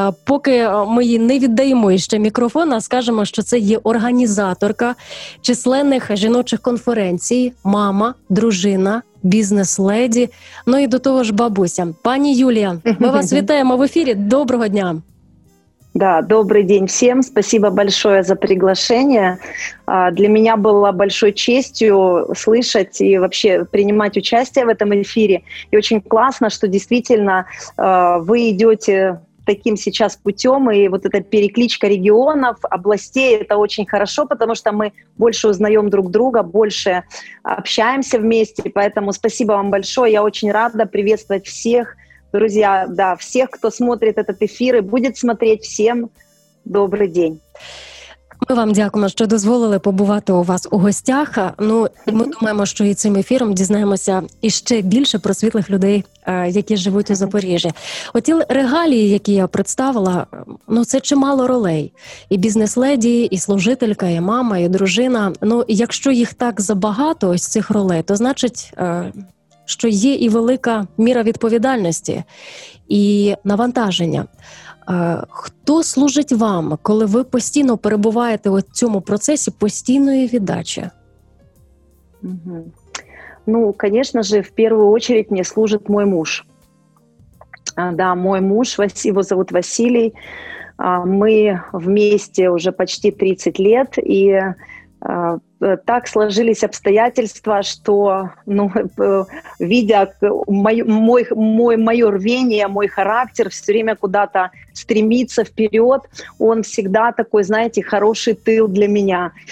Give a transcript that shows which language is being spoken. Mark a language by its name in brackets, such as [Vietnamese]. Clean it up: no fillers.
[Ukrainian] Поки ми їй не віддаємо ще мікрофон, а скажемо, що це є організаторка численних жіночих конференцій, мама, дружина, бізнес-леді, ну і до того ж бабуся. Пані Юлія, ми вас вітаємо в ефірі, доброго дня! [Russian] Да, добрый день всем. Спасибо большое за приглашение. Для меня было большой честью слышать и вообще принимать участие в этом эфире. И очень классно, что действительно вы идете таким сейчас путем, и вот эта перекличка регионов, областей, это очень хорошо, потому что мы больше узнаем друг друга, больше общаемся вместе. Поэтому спасибо вам большое. Я очень рада приветствовать всех. Друзья, да, всех, кто смотрит этот эфир и будет смотреть, всем добрый день. [Ukrainian] Ми вам дякуємо, що дозволили побувати у вас у гостях. Ну, ми думаємо, що і цим ефіром дізнаємося іще більше про світлих людей, які живуть у Запоріжжі. Оті регалії, які я представила, ну, це чимало ролей. І бізнес-леді, і служителька, і мама, і дружина. Ну, якщо їх так забагато, ось цих ролей, то значить, що є і велика міра відповідальності, і навантаження. Хто служить вам, коли ви постійно перебуваєте у цьому процесі постійної віддачі? Ну, звісно ж, в першу чергу мені служить мій муж. Да, мій муж, його звати Василій. [Russian] Ми вместе вже почти 30 лет, і так сложились обстоятельства, что, ну, видя мое рвение, мой характер, все время куда-то стремиться вперед, он всегда такой, знаете, хороший тыл для меня.